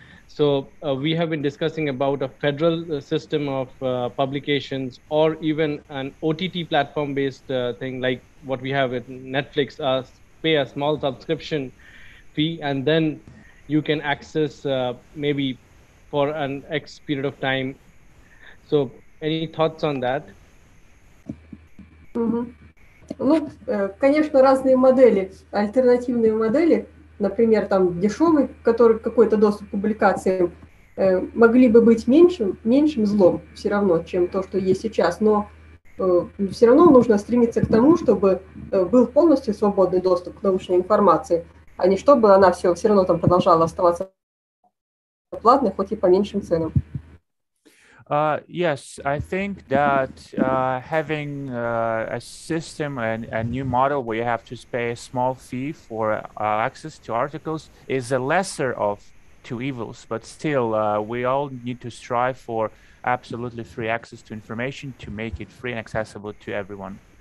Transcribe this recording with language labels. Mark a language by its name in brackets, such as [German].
[English] So we have been discussing about a federal system of publications or even an OTT platform based thing like what we have with Netflix, us pay a small subscription fee and then you can access maybe for an X period of time. So, any thoughts on that? Mm-hmm. [Russian] Ну, конечно, разные модели, альтернативные модели, например, там дешевый, который какой-то доступ к публикациям, могли бы быть меньшим злом все равно, чем то, что есть сейчас. Но все равно нужно стремиться к тому, чтобы был полностью свободный доступ к научной информации, а не чтобы она все равно там продолжала оставаться платной, хоть и по меньшим ценам. [English] Yes, I think that having a system and a new model where you have to pay a small fee for access to articles is a lesser of two evils, but still we all need to strive for absolutely free access to information to make it free and accessible to everyone.